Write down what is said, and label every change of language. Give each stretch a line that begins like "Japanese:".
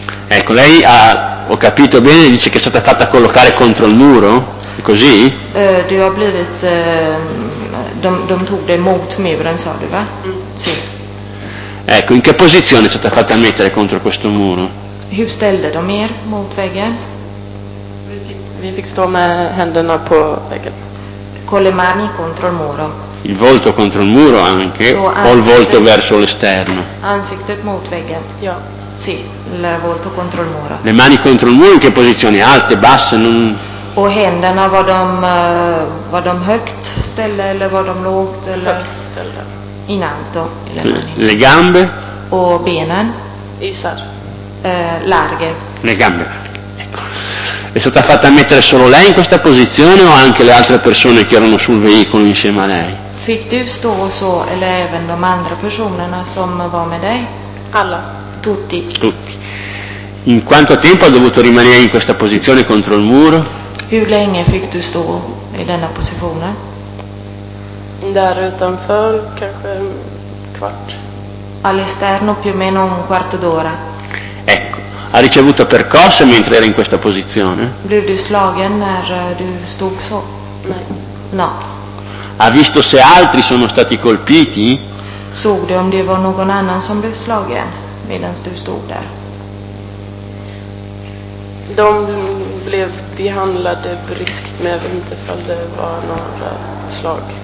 Italian: Ecco, lei ha, ho capito bene, dice che è stata fatta collocare contro il muro? Così?
Swedish: Du har blivit de tog det mot muren, sa du, va? Sì.
Italian: Ecco, in che posizione è stata fatta mettere contro questo muro?
Swedish: Hur ställde de er mot väggen? Vi fick stå med händerna på väggen.
Italian: Con le mani contro il muro. Il volto contro il muro anche, o il volto verso l'esterno?
Swedish: Ansikte mot väggen. Ja.
Italian: Sì, il volto contro il muro. Le mani contro il muro in che posizione? Alte, basse, non...
Swedish: Och händerna, var de högt ställda eller var de lågt? Eller? Högt ställda. Innans då? Eller
Italian: le gambe?
Swedish: Och benen? Isar.
Italian: Larghe. Le gambe. Ecco. È stata fatta mettere solo lei in questa posizione o anche le altre persone che erano sul veicolo insieme a lei?
Swedish: Fick du stå så eller även de andra personerna som var med dig? Alla.
Italian: Tutti. Tutti. In quanto tempo ha dovuto rimanere in questa posizione contro il muro?
Swedish: Hur länge fick du stå i denna positionen? Där utanför kanske en kvart.
Italian: All'esterno più o meno un quarto d'ora. Ecco, ha ricevuto percosse mentre era in questa posizione?
Swedish: Blev du slagen när du stod så? Nej.
Italian: No. Ha visto se altri sono stati colpiti?
Swedish: Såg du om det var någon annan som blev slagen medan du stod där? De blev behandlade bryskt, men jag vet inte om det var några slag.